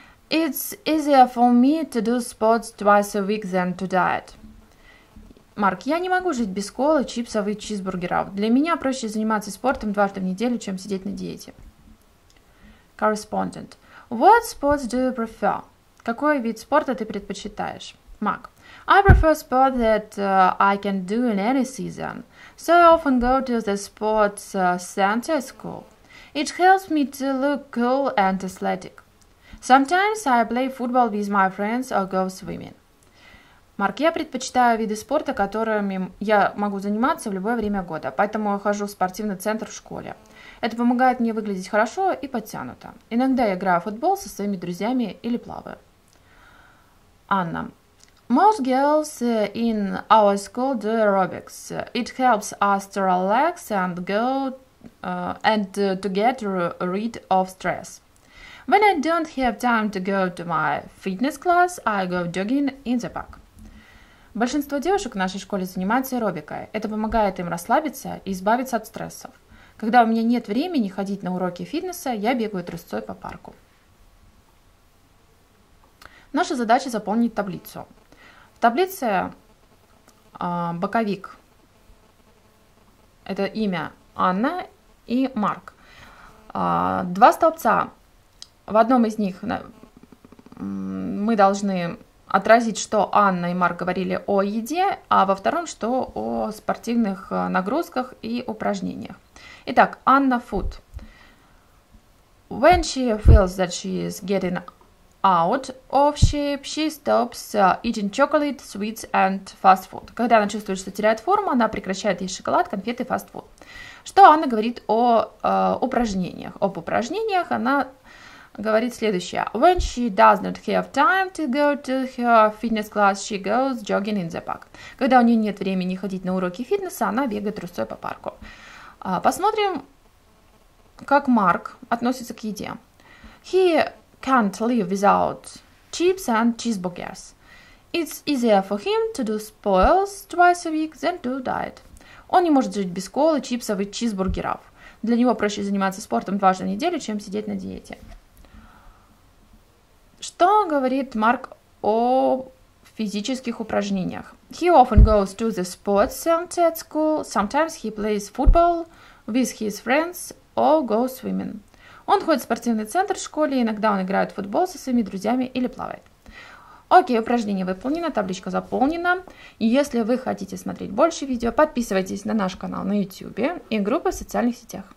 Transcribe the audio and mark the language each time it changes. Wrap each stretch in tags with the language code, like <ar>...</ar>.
<en>It's easier for me to do sports twice a week than to diet.</en> <ru>Марк, я не могу жить без колы, чипсов и чизбургеров. Для меня проще заниматься спортом дважды в неделю, чем сидеть на диете.</ru> <en>Correspondent. What sports do you prefer?</en> <ru>Какой вид спорта ты предпочитаешь? Марк.</ru> <en>I prefer sport that I can do in any season. So I often go to the sports center school. It helps me to look cool and athletic. Sometimes I play football with my friends or go swimming.</en> <ru>Марк, я предпочитаю виды спорта, которыми я могу заниматься в любое время года, поэтому я хожу в спортивный центр в школе. Это помогает мне выглядеть хорошо и подтянуто. Иногда я играю в футбол со своими друзьями или плаваю.</ru> <en>Анна. Most girls in our school do aerobics. It helps us to relax and to get rid of stress. When I don't have time to go to my fitness class, I go jogging in the park.</en> <ru>Большинство девушек в нашей школе занимаются аэробикой. Это помогает им расслабиться и избавиться от стрессов. Когда у меня нет времени ходить на уроки фитнеса, я бегаю трусцой по парку. Наша задача – заполнить таблицу. В таблице боковик – это имя Анна и Марк. Два столбца. В одном из них мы должны отразить, что Анна и Марк говорили о еде, а во втором, что о спортивных нагрузках и упражнениях. Итак, Анна food.</ru> <en>When she feels that she is getting out of shape, she stops eating chocolate, sweets and fast food.</en> <ru>Когда она чувствует, что теряет форму, она прекращает есть шоколад, конфеты и fast food. Что Анна говорит о упражнениях? Об упражнениях она говорит следующее.</ru> <en>When she does not have time to go to her fitness class, she goes jogging in the park.</en> <ru>Когда у нее нет времени ходить на уроки фитнеса, она бегает трусцой по парку. Посмотрим, как Марк относится к еде.</ru> <en>He can't live without chips and cheeseburgers. It's easier for him to do sports twice a week than to diet.</en> <ru>Он не может жить без колы, чипсов и чизбургеров. Для него проще заниматься спортом дважды в неделю, чем сидеть на диете. Что говорит Марк о физических упражнениях?</ru> <en>He often goes to the sports center at school. Sometimes he plays football with his friends or goes swimming.</en> <ru>Он ходит в спортивный центр в школе, иногда он играет в футбол со своими друзьями или плавает. Окей, упражнение выполнено, табличка заполнена. Если вы хотите смотреть больше видео, подписывайтесь на наш канал на YouTube и группы в социальных сетях.</ru>